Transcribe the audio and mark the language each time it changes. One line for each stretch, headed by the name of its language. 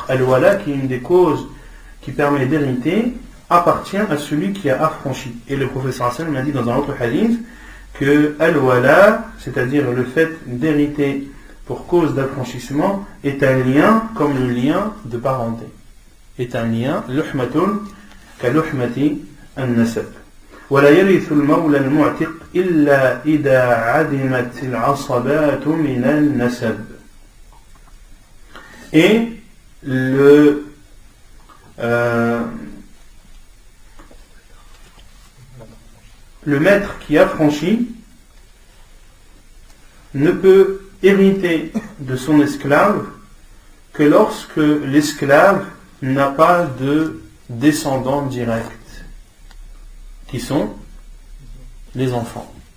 French: Al-Wala, qui est une des causes qui permet d'hériter, appartient à celui qui a affranchi. Et le prophète m'a dit dans un autre hadith que Al-Wala, c'est-à-dire le fait d'hériter pour cause d'affranchissement, est un lien comme le lien de parenté. Est un lien,
Arabic: luhmatun ka luhmati an-nasab. ولا يرث المولى المعتق الا اذا عدمت العصبات من النسب.
French: Et le le maître qui a franchi ne peut hériter de son esclave que lorsque l'esclave n'a pas de descendant direct, qui sont les enfants.